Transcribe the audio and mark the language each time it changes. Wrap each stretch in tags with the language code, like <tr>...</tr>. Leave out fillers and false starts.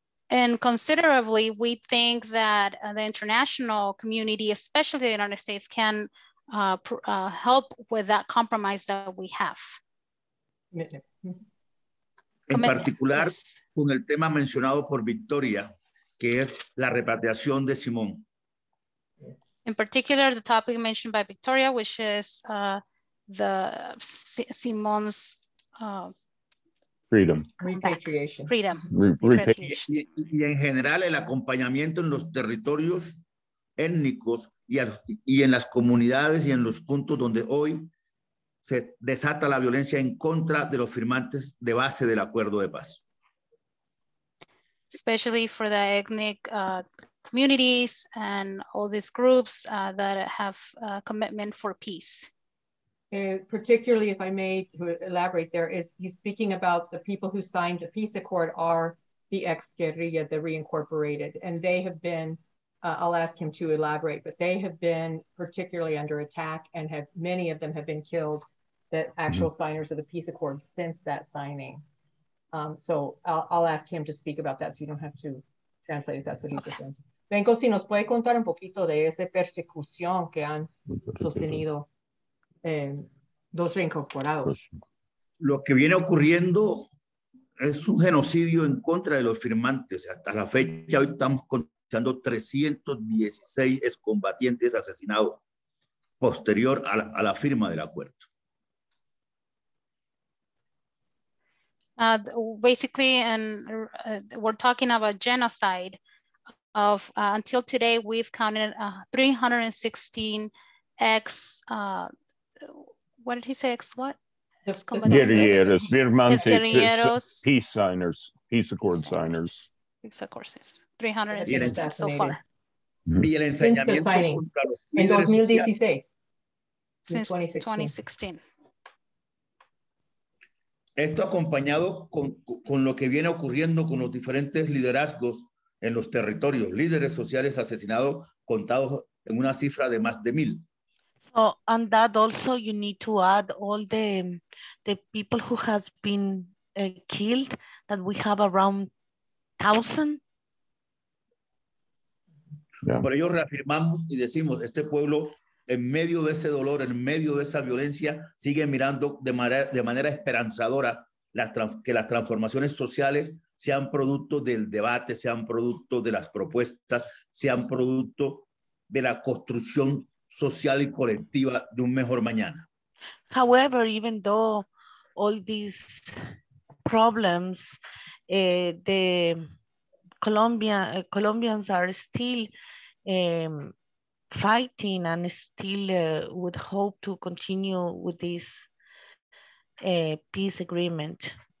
<en>And considerably, we think that the international community, especially the United States, can help with that compromise that we have.</en> <es>En particular,</es> <en>yes.</en> <es>Con el tema mencionado por Victoria, que es la repatriación de Simón.</es> <en>In particular, the topic mentioned by Victoria, which is the Simón's freedom. Repatriation. Freedom. Repatriation.</en> <es>Y en general el acompañamiento en los territorios étnicos y en las comunidades y en los puntos donde hoy se desata la violencia en contra de los firmantes de base del acuerdo de paz.</es> <en>Especially for the ethnic communities and all these groups that have a commitment for peace. Particularly, if I may to elaborate there, is he's speaking about the people who signed the peace accord are the ex-guerrilla, the reincorporated, and they have been, I'll ask him to elaborate, but they have been particularly under attack and have many of them have been killed, the actual signers of the peace accord since that signing. So I'll ask him to speak about that so you don't have to translate if that's what he's referring to.</en> <es>Benko, si nos puede contar un poquito de esa persecución que han sostenido los reincorporados. Lo que viene ocurriendo es un genocidio en contra de los firmantes. Hasta la fecha, hoy estamos contando 316 excombatientes asesinados posterior a la firma del acuerdo.</es> <en>Basically, and we're talking about genocide of until today, we've counted 316 ex, what did he say, ex what?</en> <es>Guerrilleros, firmantes,</es> <en>peace signers, peace accord signers. Peace accords, 316 so far. Since the signing, in 2016. Since 2016.</en> <es>Esto acompañado con lo que viene ocurriendo con los diferentes liderazgos en los territorios, líderes sociales asesinados, contados en una cifra de más de 1,000.</es> <en>So, and that also you need to add all the people who has been killed, that we have around 1,000. Yeah.</en> <es>Por ello reafirmamos y decimos, este pueblo en medio de ese dolor, en medio de esa violencia, sigue mirando de manera esperanzadora que las transformaciones sociales sean producto del debate, sean producto de las propuestas, sean producto de la construcción social y colectiva de un mejor mañana.</es> <en>However, even though all these problems, the Colombians are still fighting and still would hope to continue with this peace agreement.</en>